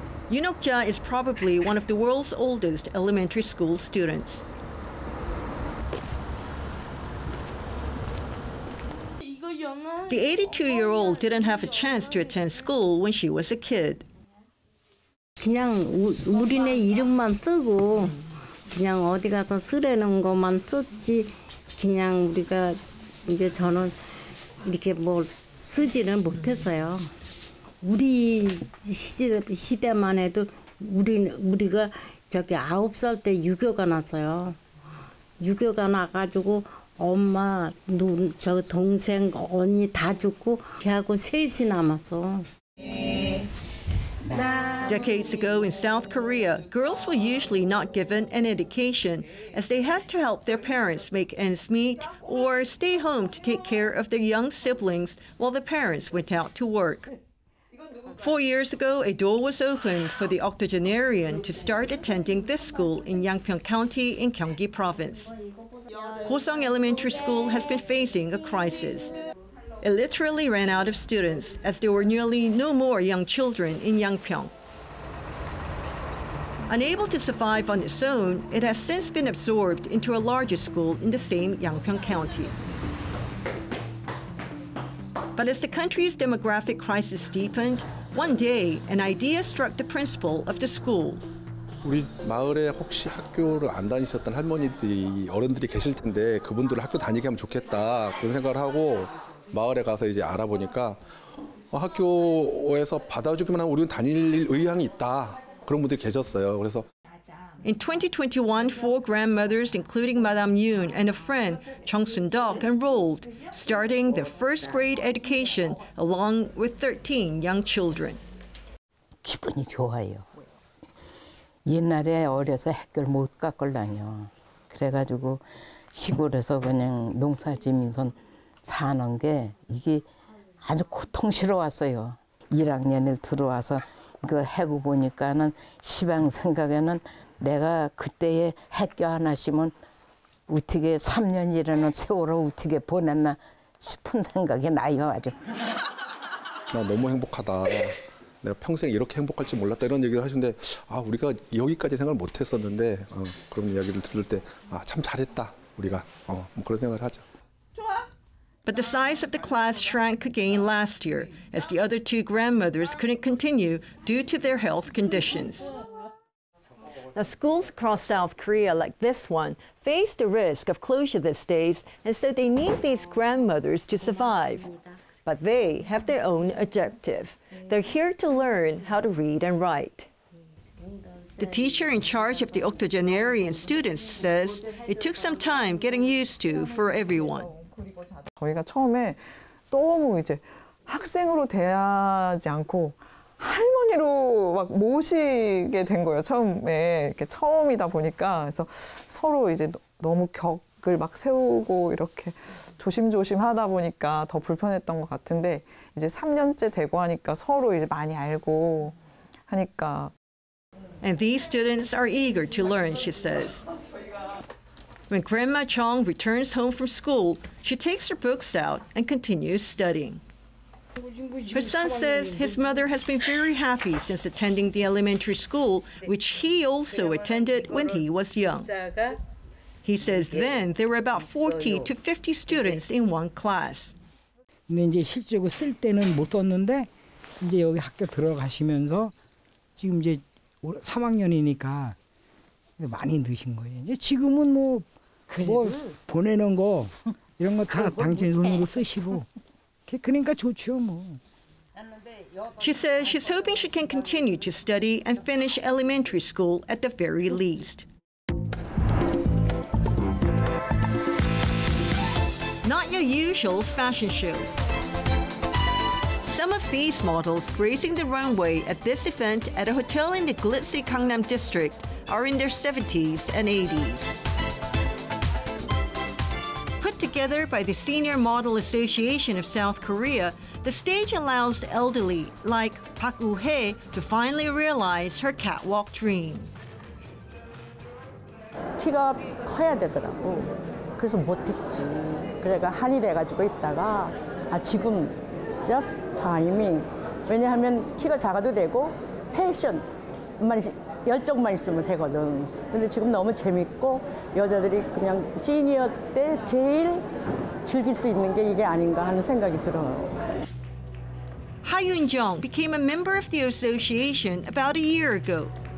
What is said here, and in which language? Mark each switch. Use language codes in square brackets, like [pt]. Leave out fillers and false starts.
[en] Yunokja is probably one of the world's oldest elementary school students. The 82-year-old didn't have a chance to attend school when she was a kid. [ko] 그냥 우리네 이름만 쓰고 그냥 어디 가서 쓰라는 것만 썼지 그냥 우리가 이제 저는 이렇게 뭐 쓰지는 못했어요. 우리 시대만 해도 우리가 저기 9살 때 유교가 났어요. 유교가 나가지고 엄마, 누나, 저 동생, 언니 다 죽고 걔하고 셋이 남았어. [en] Decades ago in South Korea, girls were usually not given an education as they had to help their parents make ends meet or stay home to take care of their young siblings while the parents went out to work. 4 years ago, a door was opened for the octogenarian to start attending this school in Yangpyeong County in Gyeonggi Province. Hoseong Elementary School has been facing a crisis. It literally ran out of students as there were nearly no more young children in Yangpyeong. Unable to survive on its own, it has since been absorbed into a larger school in the same Yangpyeong County. But as the country's demographic crisis deepened, one day an idea struck the principal of the school. [ko] 우리 마을에 혹시 학교를 안 다니셨던 할머니들이 어른들이 계실 텐데 그분들 학교 다니게 하면 좋겠다 그런 생각을 하고 마을에 가서 이제 알아보니까 학교에서 받아주기만 하면 우리는 다닐 의향이 있다 그런 분들이 계셨어요. 그래서 [en] In 2021, four grandmothers, including Madame Yoon and a friend, Chung Sun Dok, enrolled, starting their first grade education along with 13 young children. [ko] 기분이 좋아요. 옛날에 어려서 학교를 못 갔걸랑요. 그래가지고 시골에서 그냥 농사 지면서 사는 게 이게 아주 고통스러웠어요. 1학년에 들어와서 그 해고 보니까는 시방 생각에는 내가 그때에 학교 안 왔으면 어떻게 3년이라는 세월을 어떻게 보냈나 싶은 생각이 나요 아주. 나 너무 행복하다. 내가 평생 이렇게 행복할지 몰랐다 이런 얘기를 하시는데 아 우리가 여기까지 생각을 못했었는데 그런 이야기를 들을 때 아 참 잘했다 우리가 뭐 그런 생각을 하죠. [en] But the size of the class shrank again last year as the other two grandmothers couldn't continue due to their health conditions. Now, schools across South Korea, like this one, face the risk of closure these days, and so they need these grandmothers to survive. But they have their own objective. They're here to learn how to read and write. The teacher in charge of the octogenarian students says it took some time getting used to for everyone. [ko] 저희가 처음에 너무 이제 학생으로 대하지 않고 할머니로 막 모시게 된 거예요. 처음에 이렇게 처음이다 보니까 그래서 서로 이제 너무 격을 막 세우고 이렇게 조심조심 하다 보니까 더 불편했던 것 같은데 이제 3년째 되고 하니까 서로 이제 많이 알고 하니까. [en] And these students are eager to learn, she says. When Grandma Chong returns home from school, she takes her books out and continues studying. Her son says his mother has been very happy since attending the elementary school, which he also attended when he was young. He says then there were about 40 to 50 students in one class. [ko] 이제 실제로 쓸 때는 못 썼는데 이제 여기 학교 들어가시면서 지금 이제 3학년이니까 많이 늦으신 거예요. 이제 지금은 뭐 보내는 거 이런 거 다 당신 손으로 쓰시고. 그러니까 좋죠, 뭐. [en] She says she's hoping she can continue to study and finish elementary school at the very least. Not your usual fashion show. Some of these models gracing the runway at this event at a hotel in the glitzy Gangnam district are in their 70s and 80s. Together by the Senior Model Association of South Korea, the stage allows the elderly, like Park Woo-hae, to finally realize her catwalk dream. [ko] 키가 커야 되더라고. 그래서 못했지. 그래가 한이 돼가지고 있다가 아 지금 [en] just timing. [ko] 왜냐하면 키가 작아도 되고 패션 만 열정만 있으면 되거든. 근데 지금 너무 재밌고 여자들이 그냥 시니어 때 제일 즐길 수 있는 게 이게 아닌가 하는 생각이 들어요. [en] Ha Yoon-jung became a member of the association about a year ago.